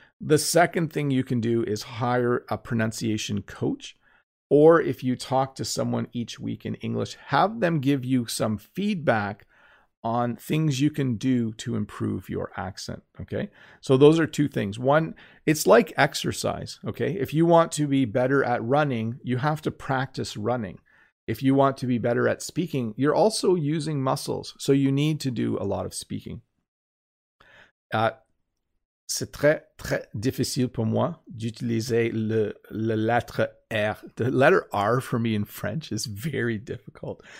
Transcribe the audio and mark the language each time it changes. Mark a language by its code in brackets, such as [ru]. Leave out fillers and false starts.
[en] The second thing you can do is hire a pronunciation coach, or if you talk to someone each week in English, have them give you some feedback on things you can do to improve your accent. Okay. So those are two things. One, it's like exercise. Okay. If you want to be better at running, you have to practice running. If you want to be better at speaking, you're also using muscles. So you need to do a lot of speaking. [fr] C'est très, très difficile pour moi d'utiliser le lettre R. [en] The letter R for me in French is very difficult.